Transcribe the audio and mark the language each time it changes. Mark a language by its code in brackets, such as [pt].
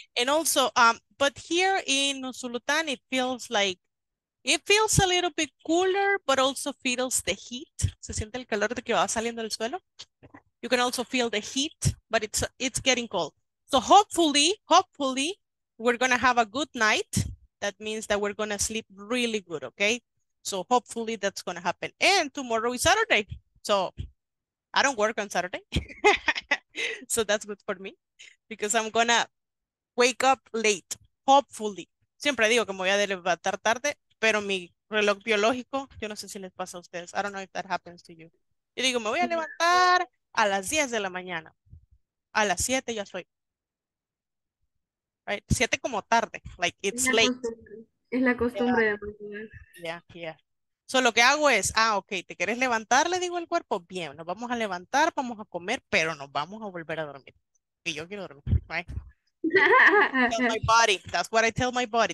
[en] And also, but here in Usulután, it feels a little bit cooler, but also feels the heat. [es] Se siente el calor de que va saliendo del suelo. [en] You can also feel the heat, but it's getting cold. So hopefully, we're going to have a good night. That means that we're going to sleep really good, okay? So hopefully that's going to happen. And tomorrow is Saturday. So I don't work on Saturday. So that's good for me because I'm going to wake up late, hopefully. [es] Siempre digo que me voy a levantar tarde, pero mi reloj biológico, yo no sé si les pasa a ustedes. [en] I don't know if that happens to you. [es] Yo digo, me voy a levantar a las 10 de la mañana. A las 7 ya soy. [en] Right? 7 [es] como tarde. [en] Like it's late. [es] Es la costumbre de So lo que hago es, ok, ¿te quieres levantar? Le digo al cuerpo, bien, nos vamos a levantar, vamos a comer, pero nos vamos a volver a dormir. Y yo quiero dormir, right? [en] Tell my body, that's what I tell my body.